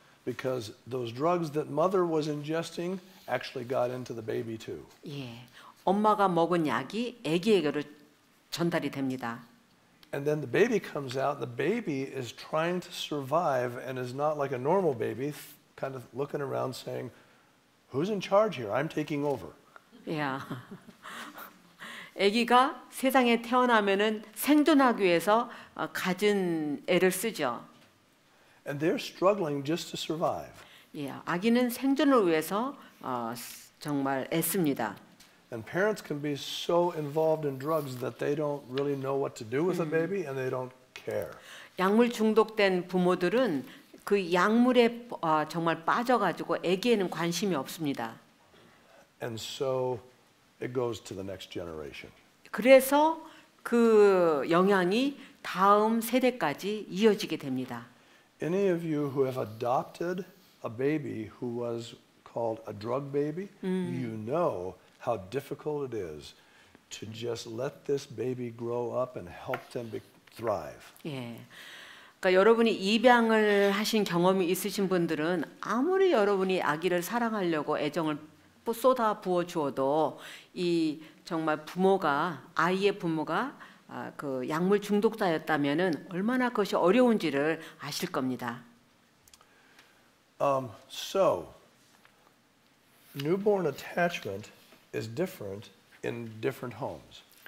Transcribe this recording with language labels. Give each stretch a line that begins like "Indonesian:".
English: Because those drugs that mother was ingesting actually got into the baby too.
Korean: 예. 엄마가 먹은 약이 아기에게로 전달이 됩니다.
English: And then the baby comes out. The baby is trying to survive and is not like a normal baby, kind of looking around saying, "Who's in charge here? I'm taking over." Yeah.
Korean: 아기가 세상에 태어나면은 생존하기 위해서 가진 애를 쓰죠.
English: And they're struggling just to survive. Yeah.
Korean: 아기는 생존을 위해서 정말 애씁니다.
English: And parents can be so involved in drugs that they don't really know what to do with a baby and they don't care.
Korean: 약물 중독된 부모들은 그 약물에 정말 빠져가지고 아기에는 관심이 없습니다.
English: And so it goes to the next generation.
Korean: 그래서 그 영향이 다음 세대까지 이어지게 됩니다.
English: Any of you who have adopted a baby who was called a drug baby, you know how difficult it is to just let this baby grow up and help them thrive.
Korean: 예. 그러니까 여러분이 입양을 하신 경험이 있으신 분들은 아무리 여러분이 아기를 사랑하려고 애정을 쏟아 부어 주어도 이 정말 부모가 아이의 부모가 그 약물 중독자였다면은 얼마나 그것이 어려운지를 아실 겁니다.
English: So newborn attachment is different in different homes.